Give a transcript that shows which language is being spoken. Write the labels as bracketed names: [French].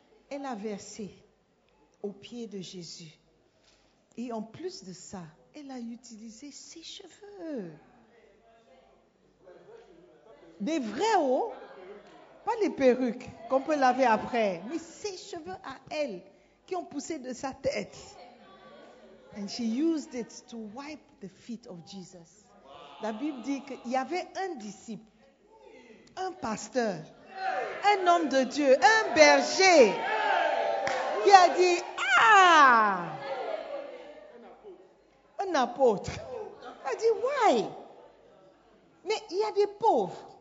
[French] Elle a versé aux pieds de Jésus. Et en plus de ça, elle a utilisé ses cheveux. Des vrais hauts. Pas les perruques qu'on peut laver après, mais ses cheveux à elle qui ont poussé de sa tête. [English] And she used it to wipe the feet of Jesus. [French] La Bible dit qu'il y avait un disciple, un pasteur, un homme de Dieu, un berger, qui a dit, ah! Un apôtre. Elle a dit, [English] why? [French] Mais il y a des pauvres.